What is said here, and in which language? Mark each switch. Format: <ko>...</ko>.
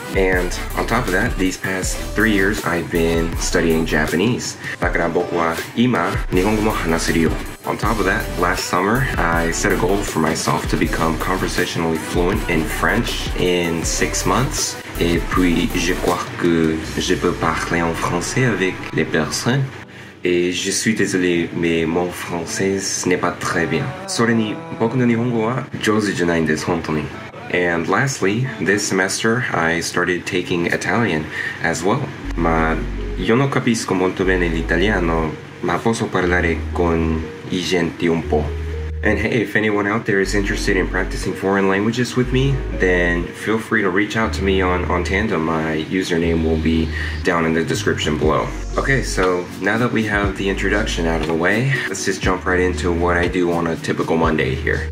<en>And on top of that, these past 3 years, I've been studying Japanese.</en> <ja>だから僕は今、日本語も話せるよ。</ja> <en>On top of that, last summer, I set a goal for myself to become conversationally fluent in French in 6 months.</en> <fr>Et puis, je crois que je peux parler en français avec les personnes. Et je suis désolé, mais mon français n'est pas très bien.</fr> <ja>それに、僕の日本語は上手じゃないんです、本当に。</ja> <en>And lastly, this semester, I started taking Italian as well.</en> <it>Ma, io non capisco molto bene l'italiano, ma posso parlare con I gente un po'.</it> <en>And hey, if anyone out there is interested in practicing foreign languages with me, then feel free to reach out to me on Tandem. My username will be down in the description below. Okay, so now that we have the introduction out of the way, let's just jump right into what I do on a typical Monday here.</en>